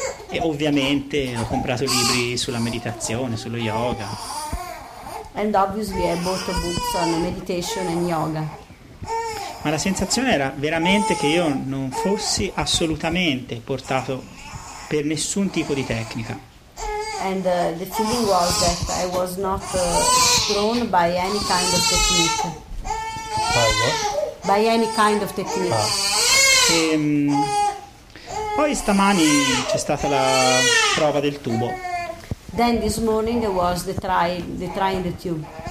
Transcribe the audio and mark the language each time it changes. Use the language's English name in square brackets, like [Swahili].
[Italian] E ovviamente ho comprato libri sulla meditazione, sullo yoga. [English] And obviously I bought books on meditation and yoga. [Italian] Ma la sensazione era veramente che io non fossi assolutamente portato per nessun tipo di tecnica. [English] And the feeling was that I was not thrown by any kind of technique. By what? By any kind of technique. Ah. [Italian] Poi stamani c'è stata la prova del tubo. [English] Then this morning there was the trial in the tube.